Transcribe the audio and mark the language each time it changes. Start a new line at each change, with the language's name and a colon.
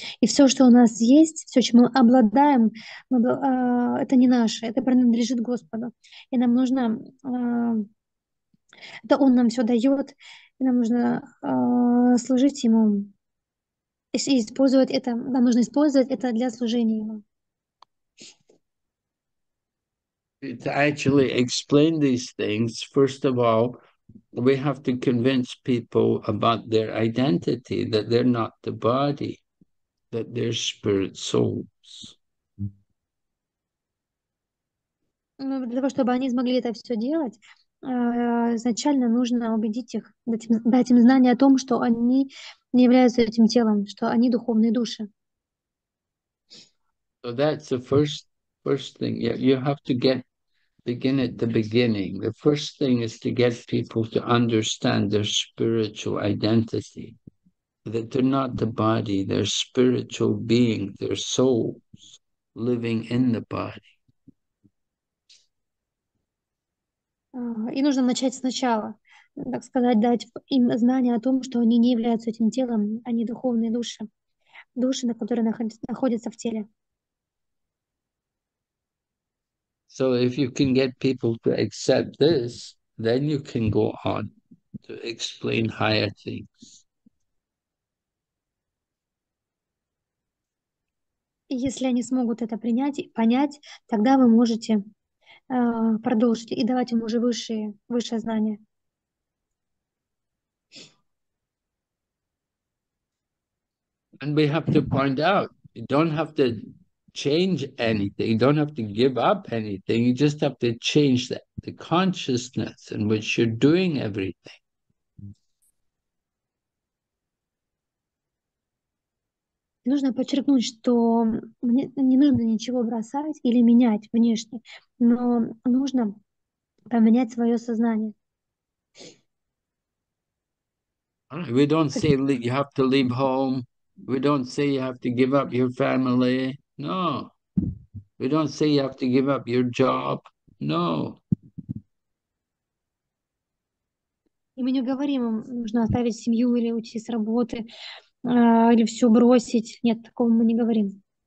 Russian: И все, что у нас есть, все, чем мы обладаем, это не наше, это принадлежит Господу. И нам нужно, это Он нам все дает, и нам нужно служить Ему. И использовать это, нам нужно использовать это для служения ему.
English: To actually explain these things, first of all, we have to convince people about their identity, that they're not the body, that they're spirit souls.
Russian: Ну, для того, чтобы они смогли это все делать, изначально нужно убедить их, дать им знание о том, что они не являются этим телом, что они духовные души.
English: So that's the first thing. Yeah, you have to get. Begin at the beginning. The first thing is to get people to understand their spiritual identity, that they're not the body, they're spiritual beings, they're souls living in the body.
Russian: И нужно начать сначала, так сказать, дать им знание о том, что они не являются этим телом, они духовные души, души, на которые находятся в теле.
English: So if you can get people to accept this, then you can go on to explain higher things.
Russian: Если они смогут это принять и понять, тогда вы можете продолжите и давать ему уже высшее знание.
English: And we have to point out, you don't have to change anything. You don't have to give up anything. You just have to change the consciousness in which you're doing everything.
Russian: Нужно подчеркнуть, что мне не нужно ничего бросать или менять внешне, но нужно поменять свое сознание.
English: We don't say you have to leave home. We don't say you have to give up your family. No, we don't say you have to give up your job. No.
Russian: Мы не говорим, нужно оставить семью или уйти с работы. Или все бросить. Нет, такого мы не говорим.